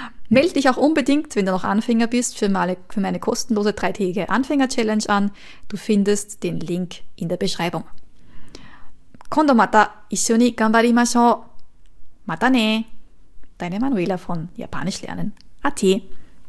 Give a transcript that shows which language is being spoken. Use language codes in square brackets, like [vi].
[de] Meld dich auch unbedingt, wenn du noch Anfänger bist, für meine kostenlose 3-tägige Anfänger-Challenge an. Du findest den Link in der Beschreibung. [ja] 今度また一緒に頑張りましょう。またね。 [de] Deine Manuela von Japanisch lernen. Ate.